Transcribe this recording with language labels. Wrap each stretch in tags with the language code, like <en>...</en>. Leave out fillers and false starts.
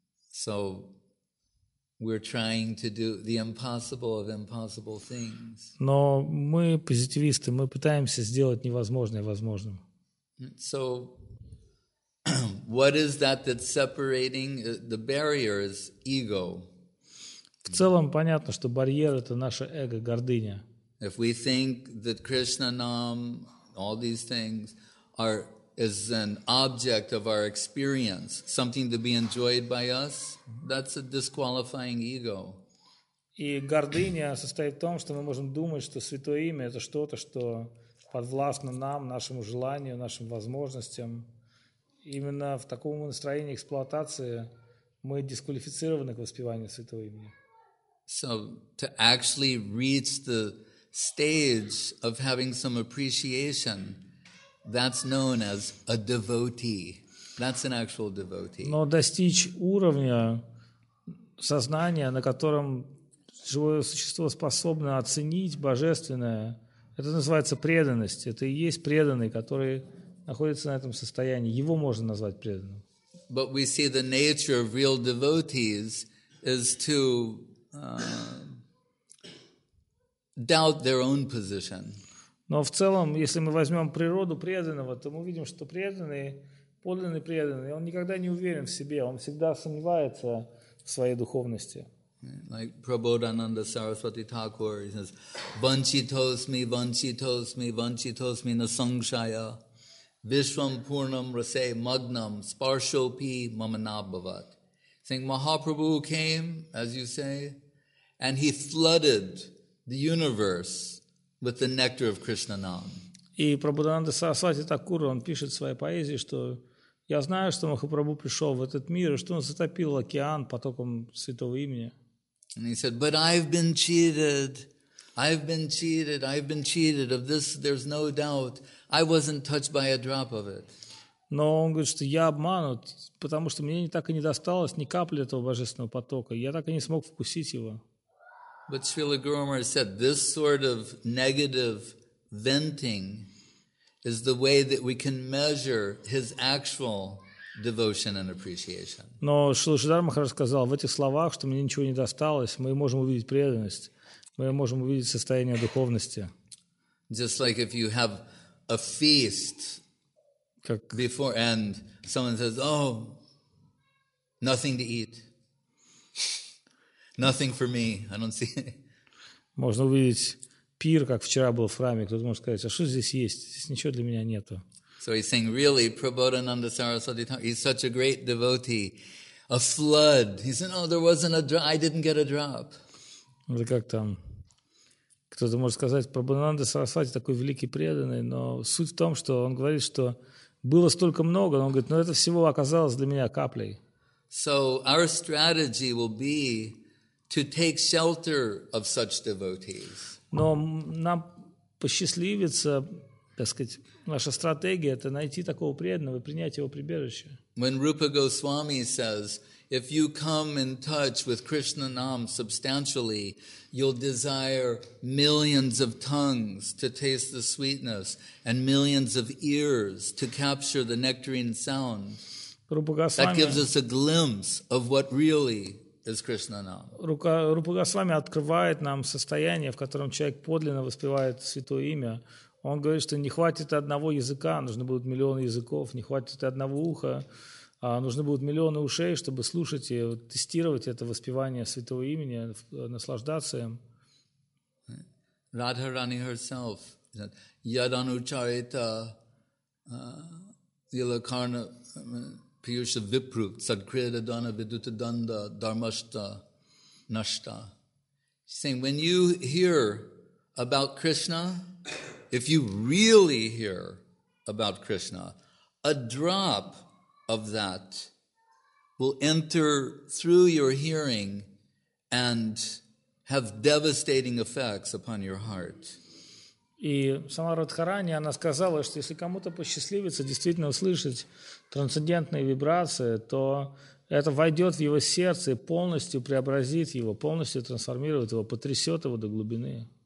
<en>So, we're trying to do the impossible of impossible things.</en> <ru>Но мы позитивисты, мы пытаемся сделать невозможное возможным.</ru> <en>So, what is that that's separating? The barrier is ego.</en> <ru>В целом понятно, что барьер — это наше эго, гордыня.</ru> <en>If we think that Krishna Nam, all these things, are is an object of our experience, something to be enjoyed by us, that's a disqualifying ego.</en> <ru>И гордыня состоит в том, что мы можем думать, что святое имя — это что-то, что подвластно нам, нашему желанию, нашим возможностям. Именно в таком настроении эксплуатации мы дисквалифицированы к воспеванию святого имени.</ru> <en>So, to actually reach the stage of having some appreciation, that's known as a devotee. That's an actual devotee.</en> <ru>Но достичь уровня сознания, на котором живое существо способно оценить божественное, это называется преданность. Это и есть преданный, который находится на этом состоянии. Его можно назвать преданным.</ru> <en>But we see the nature of real devotees is to doubt their own position.</en> <ru>Но в целом, если мы возьмем природу преданного, то мы увидим, что преданный, подлинный преданный, он никогда не уверен в себе, он всегда сомневается в своей духовности.</ru> <en>Like Prabodhananda Saraswati Thakur, he says,</en> <sa>vanchitosmi, vanchitosmi, vanchitosmi na sangshaya, vishvam purnam rase magnam, sparshopi mamanabhavat.</sa> <en>Saying, Mahaprabhu came, as you say, and he flooded the universe with the nectar of Krishna Nam.</en> <ru>И Прабхудананда Сарасвати Такур, он пишет в своей поэзии, что я знаю, что Махапрабху пришел в этот мир, что он затопил океан потоком святого имени.</ru> <en>And he said, but I've been cheated. I've been cheated. I've been cheated. Of this there's no doubt. I wasn't touched by a drop of it.</en> <ru>Но он говорит, что я обманут, потому что мне так и не досталось ни капли этого божественного потока. Я так и не смог вкусить его.</ru> <en>But Srila Guru Maharaj said, this sort of negative venting is the way that we can measure his actual devotion and appreciation.</en> <ru>Но Шрила Шридхар Махарадж сказал в этих словах, что мне ничего не досталось, мы можем увидеть преданность, мы можем увидеть состояние духовности.</ru> <en>Just like if you have a feast before and someone says, oh, nothing to eat. Nothing for me. I don't see.</en> <ru>Можно увидеть пир, как вчера был в храме. Кто-то может сказать, а что здесь есть? Здесь ничего для меня нету.</ru> <en>So he's saying, really, Prabodhananda Saraswati Thakur, he's such a great devotee. A flood. He said, no, there wasn't a drop. I didn't get a drop.</en> <ru>Это как там? Кто-то может сказать, Прабхудананда Сарасвати такой великий преданный, но суть в том, что он говорит, что было столько много, но он говорит, ну это всего оказалось для меня каплей.</ru> <en>So our strategy will be to take shelter of such devotees.</en> <ru>Но нам посчастливится, так сказать, наша стратегия — это найти такого преданного и принять его прибежище.</ru> <en>When Rupa Goswami says, if you come in touch with Krishna Nam substantially, you'll desire millions of tongues to taste the sweetness and millions of ears to capture the nectarine sound. Rupa Goswami, that gives us a glimpse of what really is Krishna Nama.</en> <ru>Rupa Goswami открывает нам состояние, в котором человек подлинно воспевает святое имя. Он говорит, что не хватит одного языка, нужны будут миллионы языков, не хватит одного уха, нужны будут миллионы ушей, чтобы слушать и тестировать это воспевание святого имени, наслаждаться им.</ru> <en>Radharani herself said,</en> <sa>Yadanucharita Yilakarna Piyusha Vipru Sadkriyada Dana Viduta Danda Dharmashta Nashta.</sa> <en>She's saying, when you hear about Krishna, if you really hear about Krishna, a drop of that will enter through your hearing and have devastating effects upon your heart.</en> <ru>И сама Радхарани, она сказала, что если кому-то посчастливится действительно услышать трансцендентные вибрации, то это войдет в его сердце и полностью преобразит его, полностью трансформирует его, потрясет его до глубины.</ru>